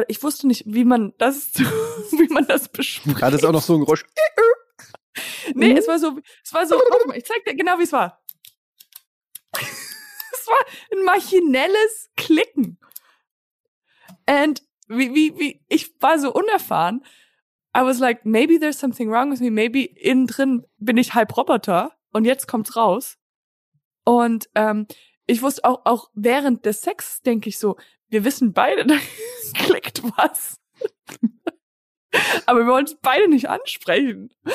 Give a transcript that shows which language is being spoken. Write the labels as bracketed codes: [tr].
[de] Ich wusste nicht, wie man das bespricht. Hat es auch noch so ein Geräusch? Nee, es war so. Warte mal, ich zeig dir genau, wie es war. Es war ein maschinelles Klicken. And wie ich war so unerfahren. [en] I was like, maybe there's something wrong with me. [de] Maybe innen drin bin ich halb Roboter und jetzt kommt's raus. Und ich wusste auch während des Sex, denke ich so, wir wissen beide, da klickt was. Aber wir wollen es beide nicht ansprechen.